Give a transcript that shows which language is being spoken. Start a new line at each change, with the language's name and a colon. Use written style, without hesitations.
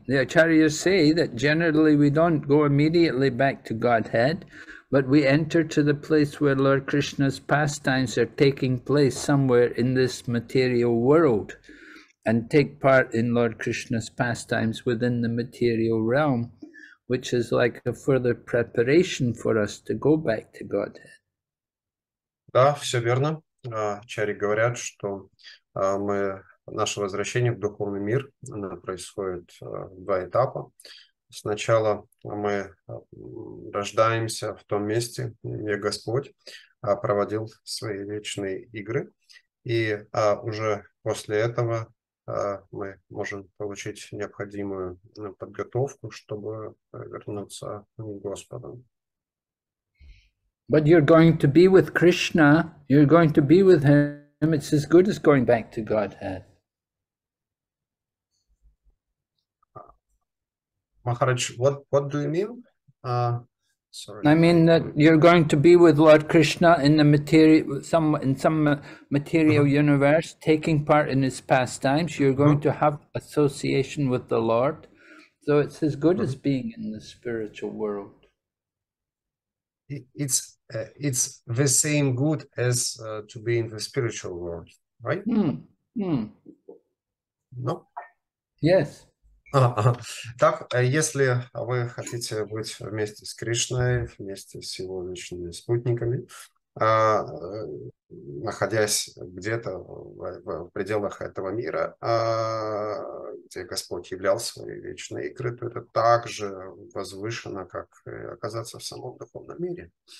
English: The acharyas say that generally we don't go immediately back to Godhead, but we enter to the place where Lord Krishna's pastimes are taking place somewhere in this material world. And take part in Lord Krishna's pastimes within the material realm, which is like a further preparation for us to go back to Godhead.
Russian: Да, все верно. Чари говорят, что мы наше возвращение в духовный мир происходит два этапа. Сначала мы рождаемся в том месте, где Господь проводил свои вечные игры, и уже после этого мы можем получить необходимую подготовку, чтобы вернуться к Господу.
English: But you're going to be with Krishna, you're going to be with him, it's as good as going back to Godhead. Махарадж, what do you mean? I mean that you're going to be with Lord Krishna in the material uh-huh. universe, taking part in his pastimes. You're going uh-huh. to have association with the Lord, so it's as good uh-huh. as being in the spiritual world. It's the same good as to be in the spiritual world, right? No. Yes.
Russian: Так, если вы хотите быть вместе с Кришной, вместе с его вечными спутниками, находясь где-то в пределах этого мира, где Господь являл свои вечные игры, то это так же возвышено, как оказаться в самом духовном мире.